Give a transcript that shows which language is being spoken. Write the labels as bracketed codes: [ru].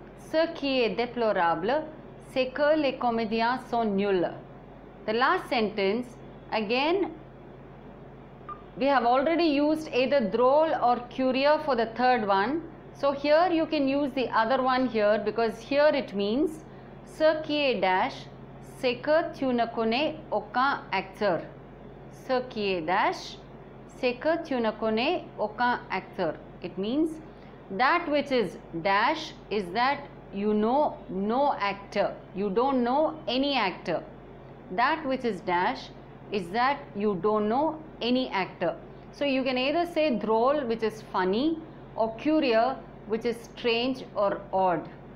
[fr] Ce qui est déplorable, c'est que les comédiens sont nuls. [en] The last sentence, again, we have already used either drôle or curieux for the third one. So here you can use the other one here, because here it means, [fr] ce qui est dash, c'est que tu ne connais aucun acteur. Ce qui est dash, c'est que tu ne connais aucun acteur. [en] It means, that which is dash is that you know no actor. You don't know any actor. That which is dash is that you don't know any actor. So you can either say drôle, which is funny, or curieux, which is strange or odd.